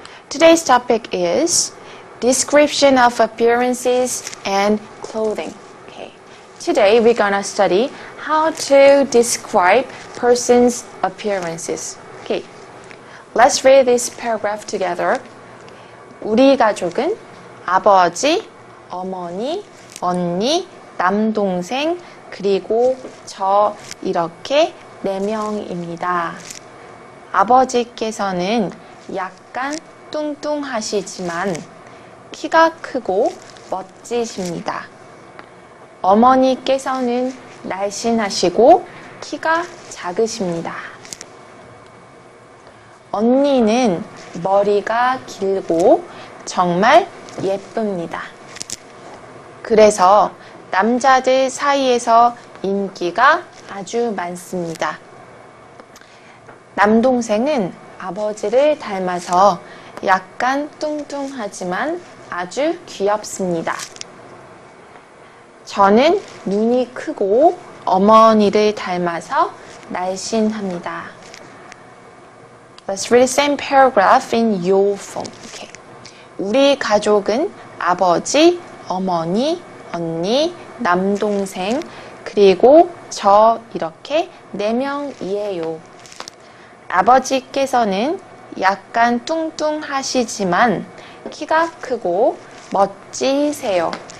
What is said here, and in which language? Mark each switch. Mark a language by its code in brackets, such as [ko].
[en] Today's topic is description of appearances and clothing. Okay. Today we're gonna study how to describe person's appearances. Okay. Let's read this paragraph together. [ko] 우리 가족은 아버지, 어머니, 언니, 남동생, 그리고 저 이렇게 네 명입니다. 아버지께서는 약간 뚱뚱하시지만 키가 크고 멋지십니다. 어머니께서는 날씬하시고 키가 작으십니다. 언니는 머리가 길고 정말 예쁩니다. 그래서 남자들 사이에서 인기가 아주 많습니다. 남동생은 아버지를 닮아서 약간 뚱뚱하지만 아주 귀엽습니다. 저는 눈이 크고 어머니를 닮아서 날씬합니다. [en] Let's read the same paragraph in your form. Okay. [ko] 우리 가족은 아버지, 어머니, 언니, 남동생, 그리고 저 이렇게 네 명이에요. 아버지께서는 약간 뚱뚱하시지만 키가 크고 멋지세요.